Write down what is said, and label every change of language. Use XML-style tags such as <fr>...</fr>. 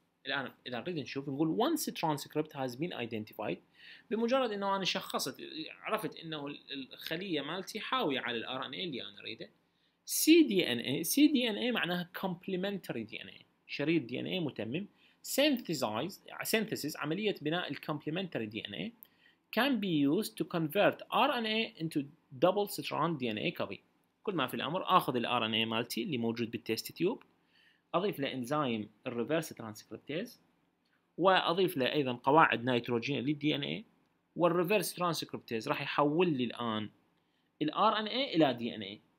<ar>الان اذا نريد نشوف نقول</ar> <en>once a transcript has been identified،</en> <ar>بمجرد انه انا شخصت عرفت انه الخليه مالتي حاويه على الار ان اي اللي انا اريده، سي دي ان اي. سي دي ان اي معناها complementary دي ان اي، شريط دي ان اي متمم.</ar> <en>synthesis</en> <ar>عمليه بناء الكومبلمنتري دي ان اي</ar> <en>can be used to convert RNA into double strand DNA copy.</en> <ar>كل ما في الامر اخذ ال RNA مالتي اللي موجود بالتيست تيوب، اضيف له انزيم الريفرس ترانسكريبتيز، واضيف له ايضا قواعد نيتروجين للدي ان اي، والريفرس ترانسكريبتيز راح يحول لي الان ال RNA الى دي ان اي.</ar>